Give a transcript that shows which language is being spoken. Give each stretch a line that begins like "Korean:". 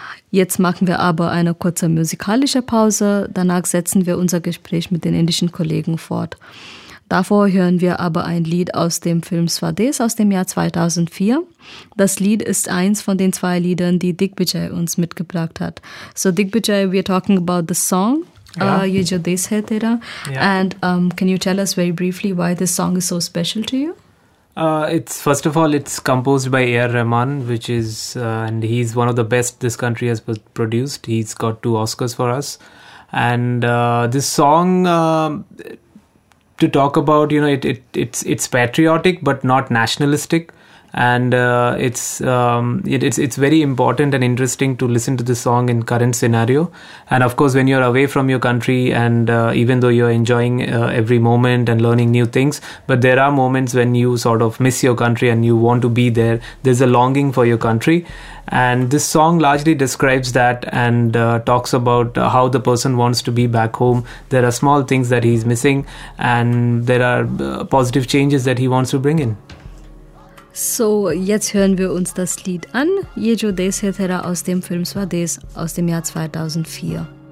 German: Jetzt machen wir aber eine kurze musikalische Pause. Danach setzen wir unser Gespräch mit den indischen Kollegen fort. Davor hören wir aber ein Lied aus dem Film Swadesh aus dem Jahr 2004. Das Lied ist eins von den zwei Liedern, die Digvijay uns mitgebracht hat.
English: So Digvijay, we're talking about the song, Ye Jo Desh Hai Tera. And can you tell us very briefly why this song is so special to you? It's composed by A.R. Rahman, which is and he's one of the best this country has produced. He's got two Oscars for us, and this song to talk about, you know, it's patriotic but not nationalistic, and it's very important and interesting to listen to this song in current scenario. And of course, when you're away from your country, and even though you're enjoying every moment and learning new things, but there are moments when you sort of miss your country and you want to be there. There's a longing for your country, and this song largely describes that and talks about how the person wants to be back home. There are small things that he's missing, and there are positive changes that he wants to bring in.
German: So, jetzt hören wir uns das Lied an, Ye Jo Desh Hai Tera aus dem Film Swadesh aus dem Jahr 2004.